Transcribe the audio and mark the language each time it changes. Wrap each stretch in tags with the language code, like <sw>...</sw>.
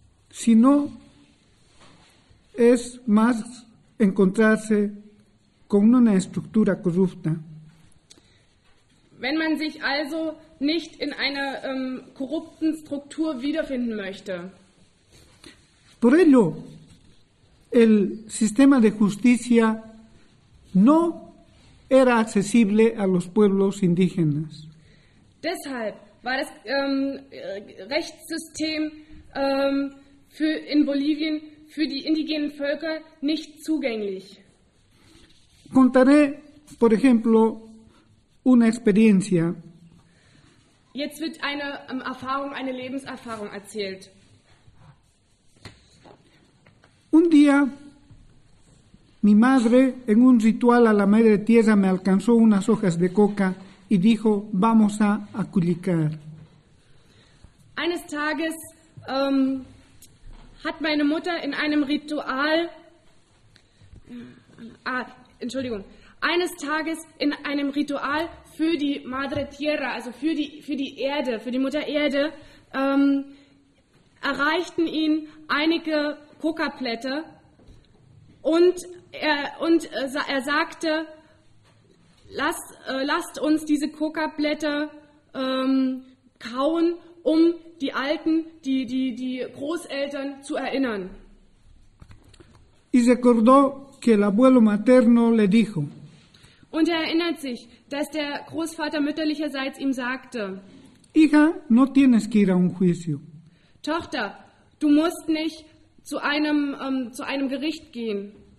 <es>Sino es más encontrarse con una estructura corrupta.</es> <de>Wenn man sich also nicht in einer korrupten Struktur wiederfinden möchte.</de> <es>Por ello, el sistema de justicia no era accesible a los pueblos indígenas.</es> <de>Deshalb war das Rechtssystem für in Bolivien für die indigenen Völker nicht zugänglich.</de> <es>Contaré, por ejemplo, una experiencia.</es> <de>Jetzt wird eine Erfahrung, eine Lebenserfahrung erzählt.</de> <es>Un día, mi madre, en un ritual a la madre tierra, me alcanzó unas hojas de coca y dijo, vamos a aculicar.</es> <de>Eines Tages hat meine Mutter in einem Ritual, eines Tages in einem Ritual für die Madre Tierra, also für die Erde, für die Mutter Erde, erreichten ihn einige Coca-Blätter und er sagte, lasst uns diese Coca-Blätter kauen, um die Alten, die Großeltern zu erinnern.</de> <es>Y recordó que el abuelo materno le dijo.</es> <de>Und er erinnert sich, dass der Großvater mütterlicherseits ihm sagte,</de> <es>Hija, no tienes que ir a un juicio.</es> <de>Tochter, du musst nicht zu einem Gericht gehen.</de>